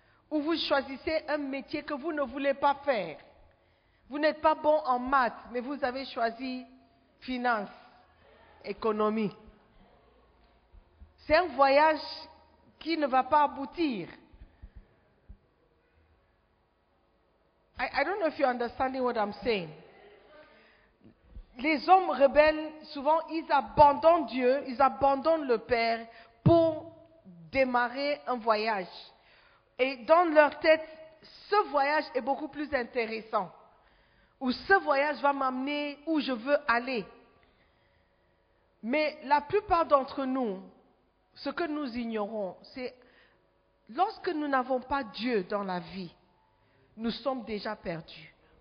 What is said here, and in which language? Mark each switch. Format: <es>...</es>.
<fr>Ou vous choisissez un métier que vous ne voulez pas faire. Vous n'êtes pas bon en maths, mais vous avez choisi finance, économie. C'est un voyage qui ne va pas aboutir.</fr> <en>I don't know if you're understanding what I'm saying.</en> <fr>Les hommes rebelles, souvent, ils abandonnent Dieu, ils abandonnent le Père pour démarrer un voyage. Et dans leur tête, ce voyage est beaucoup plus intéressant. Ou ce voyage va m'amener où je veux aller. Mais la plupart d'entre nous, ce que nous ignorons, c'est lorsque nous n'avons pas Dieu dans la vie, nous sommes déjà perdus.</fr>